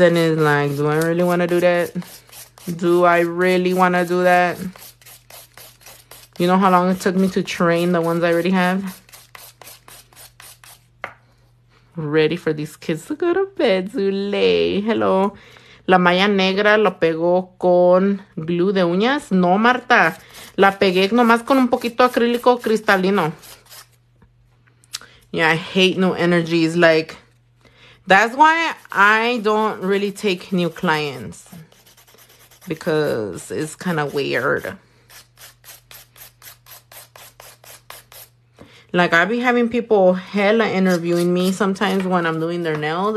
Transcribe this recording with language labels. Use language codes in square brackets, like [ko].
[en] And it's like, do I really want to do that? Do I really want to do that? You know how long it took me to train the ones I already have? Ready for these kids to go to bed, Zule. Hello. [es] La malla negra lo pegó con glue de uñas. No, Marta. La pegué nomás con un poquito acrílico cristalino. [en] Yeah, I hate new energies. Like, that's why I don't really take new clients. Because it's kind of weird. Like, I be having people hella interviewing me sometimes when I'm doing their nails.